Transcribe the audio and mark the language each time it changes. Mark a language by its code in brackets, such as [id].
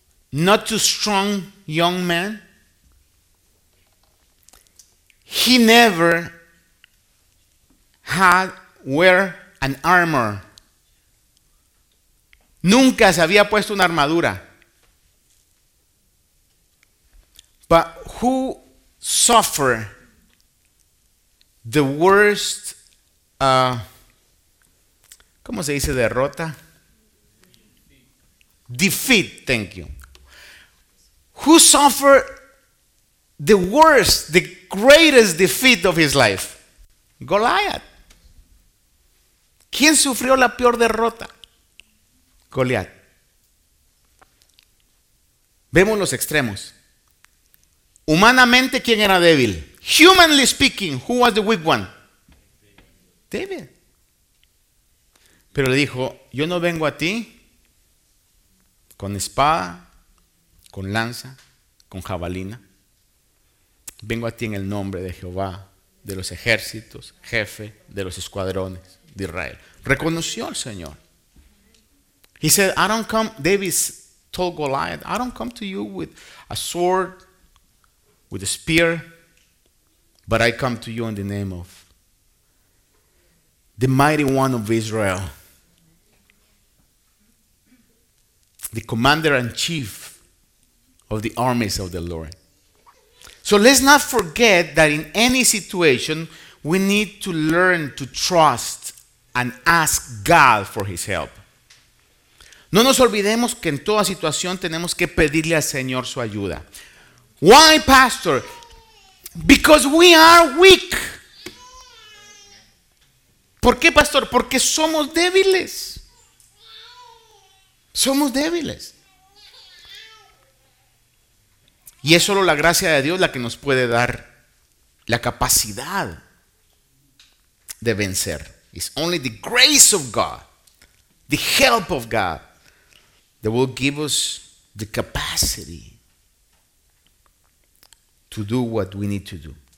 [en] Not too strong young man. He never had wear an armor. [es] Nunca se había puesto una armadura. [en] But who suffer the worst, [es] ¿cómo se dice derrota? [en] Defeat, thank you. Who suffer the worst, the greatest defeat of his life? Goliath. [es] ¿Quién sufrió la peor derrota? Goliat. Vemos los extremos. Humanamente, ¿quién era débil? [en] Humanly speaking, who was the weak one? [es] David. Pero le dijo, yo no vengo a ti con espada, con lanza, con jabalina. Vengo a ti en el nombre de Jehová, de los ejércitos, jefe de los escuadrones de Israel. Reconoció al Señor. [en] He said, I don't come, David told Goliath, I don't come to you with a sword, with a spear, but I come to you in the name of the mighty one of Israel, the commander in chief of the armies of the Lord. So let's not forget that in any situation, we need to learn to trust and ask God for his help. [es] No nos olvidemos que en toda situación tenemos que pedirle al Señor su ayuda. [en] Why, Pastor? Because we are weak. [es] ¿Por qué, Pastor? Porque somos débiles. Somos débiles. Y es solo la gracia de Dios la que nos puede dar la capacidad de vencer. [en] It's only the grace of God, the help of God, that will give us the capacity to do what we need to do.